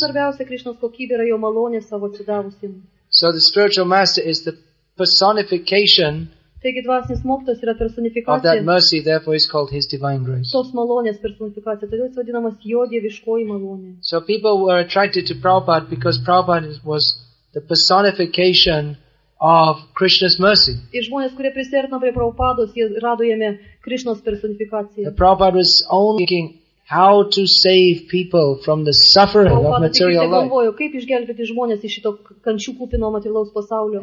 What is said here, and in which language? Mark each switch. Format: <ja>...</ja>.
<en>So the spiritual master is the personification of that mercy, therefore he's called his divine grace. So people were attracted to Prabhupada because Prabhupada was the personification of Krishna's mercy.</en> <lt>Žmonės, kurie prisertino prie Prabhupados, jie rado jame Krishnos personifikaciją.</lt> <en>The Prabhupada was only thinking how to save people from the suffering of material life.</en> <lt>Kaip išgelbėti žmonės iš šito kančių kupino materialaus pasaulio.</lt>